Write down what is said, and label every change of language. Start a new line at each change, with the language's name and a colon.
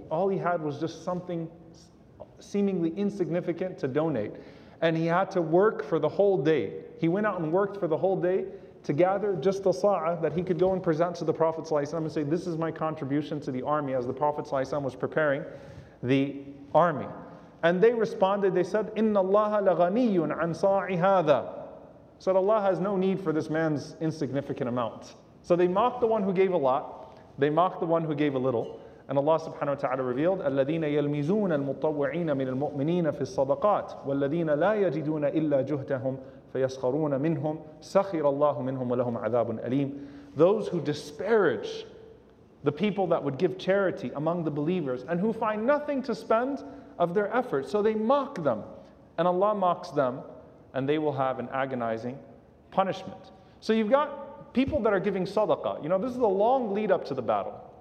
English: All he had was just something seemingly insignificant to donate. And he had to work for the whole day. He went out and worked for the whole day to gather just the sa'ah that he could go and present to the Prophet ﷺ and say, this is my contribution to the army, as the Prophet ﷺ was preparing the army. And they responded, they said,
Arabic: إِنَّ اللَّهَ لَغَنِيٌّ عَنْ صَاعِ هَذَا.
English: Said, Allah has no need for this man's insignificant amount. So they mocked the one who gave a lot, they mocked the one who gave a little. And Allah subhanahu wa ta'ala revealed,
Arabic: الَّذِينَ يَلْمِزُونَ الْمُطَّوِّعِينَ مِنَ الْمُؤْمِنِينَ فِي الصَّدَقَاتِ وَالَّذِينَ لَا يَجِدُونَ إِلَّا جُهْدَهُمْ فَيَسْخَرُونَ مِنْهُمْ سَخِرَ اللَّهُ مِنْهُمْ وَلَهُمْ عَذَابٌ أَلِيمٌ.
English: Those who disparage the people that would give charity among the believers and who find nothing to spend of their effort. So they mock them. And Allah mocks them and they will have an agonizing punishment. So you've got people that are giving sadaqah. You know, this is a long lead up to the battle.